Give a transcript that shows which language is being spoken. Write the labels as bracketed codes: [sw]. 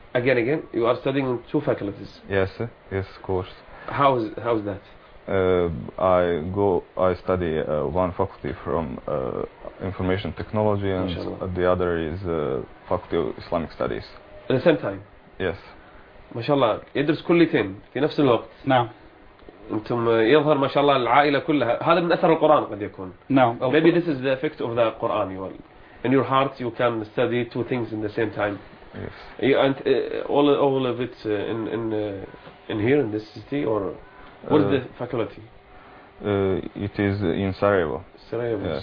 [en] Again? You are studying in two faculties? Yes. Yes, of course. How is that? I study one faculty from information technology and Mashallah. The other is faculty of Islamic studies. At the same time? Yes. [ar] MashaAllah, يدرس كلتين في نفس الوقت. نعم. أنتم يظهر MashaAllah العائلة كلها. هذا من أثر القرآن قد يكون. نعم. [en] Maybe this is the effect of the Quran. In your heart, you can study two things in the same time. Yes. And all of it in here in this city or? What is the faculty? It is in Sarajevo. Sarajevo. Yes.